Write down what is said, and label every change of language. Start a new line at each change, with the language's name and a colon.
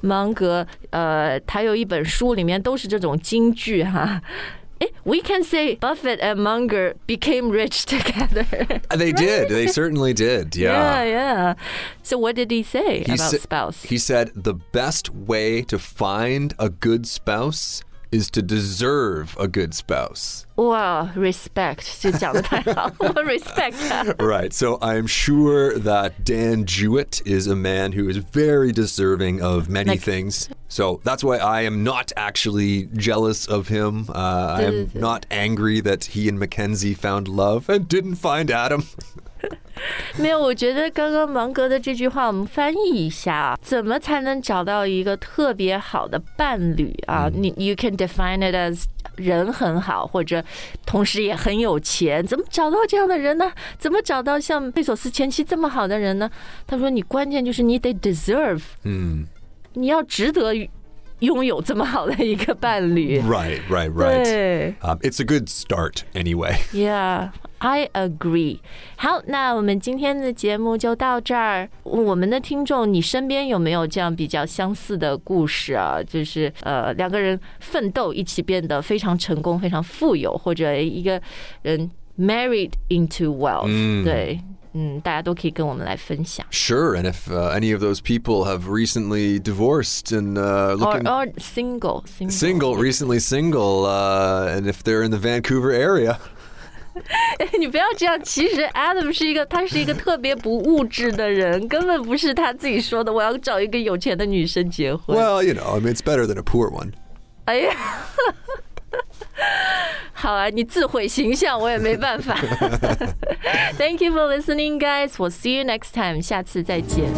Chinese: 芒格，他有一本书里面都是这种金句哈。
English: We can say Buffett and Munger became rich together. They did. They certainly did. Yeah. Yeah. So what did he say about spouse? He said the best way to find a good spouse is to deserve a good spouse. Wow. Respect.
Chinese: 就讲得太好。
English: Respect. Right. So I'm sure that Dan Jewett is a man who is very deserving of many things. So that's why I am not actually jealous of him. I am not angry that he and Mackenzie found love and didn't find Adam.
Chinese: 没有，我觉得刚刚芒格的这句话，我们翻译一下，怎么才能找到一个特别好的伴侣啊？你
English: you can define it as
Chinese: 人很好，或者同时也很有钱，怎么找到这样的人呢？怎么找到像贝索斯前妻这么好的人呢？他说，你关键就是你得 deserve。你要值得拥有这么好的一个伴侣。
English: Right, right, right. It's a good start anyway. Yeah, I agree.
Chinese: 好，那我们今天的节目就到这儿。我们的听众，你身边有没有这样比较相似的故事啊？就是两个人奋斗一起变得非常成功，非常富有，或者一个人
English: married into wealth,
Chinese: 对。大家都可以跟我们来分享。
English: Sure, and if any of those people have recently divorced and or single, and if they're in the Vancouver area.
Chinese: 你不要这样，其实 Adam 是一个，他是一个特别不物质的人，根本不是他自己说的，我要找一个有钱的女生结婚。
English: Well, you know, I mean, it's better than a poor one.
Chinese: 哎呀。好啊，你自毁形象，我也没办法。
English: Thank you for listening, guys. We'll see you next time.
Chinese: 下次再见。